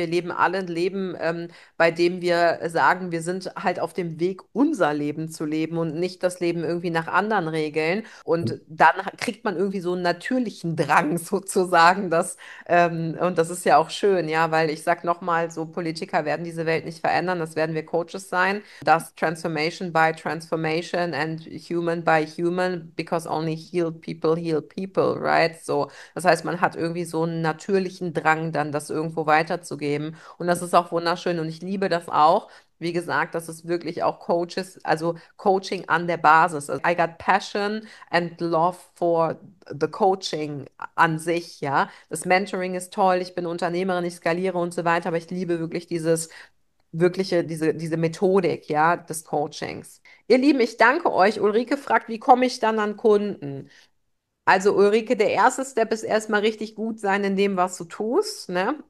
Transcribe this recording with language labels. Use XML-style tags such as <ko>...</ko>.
<de>Und wir leben alle ein Leben, bei dem wir sagen, wir sind halt auf dem Weg, unser Leben zu leben und nicht das Leben irgendwie nach anderen Regeln. Und dann kriegt man irgendwie so einen natürlichen Drang sozusagen, dass, und das ist ja auch schön, ja, weil ich sag nochmal, so Politiker werden diese Welt nicht verändern, das werden wir Coaches sein.</de> <en>Das Transformation by Transformation and Human by Human, because only healed people heal people, right?</en> <de>So, das heißt, man hat irgendwie so einen natürlichen Drang, dann das irgendwo weiterzugeben. Und das ist auch wunderschön. Und ich liebe das auch. Wie gesagt, das ist wirklich auch Coaches, also Coaching an der Basis.</de> <en>Also, I got passion and love for the coaching</en> <de>an sich, ja. Das Mentoring ist toll. Ich bin Unternehmerin, ich skaliere und so weiter. Aber ich liebe wirklich dieses wirkliche, diese Methodik, ja, des Coachings. Ihr Lieben, ich danke euch. Ulrike fragt, wie komme ich dann an Kunden? Also Ulrike, der erste Step ist erstmal richtig gut sein in dem, was du tust, ne?</de>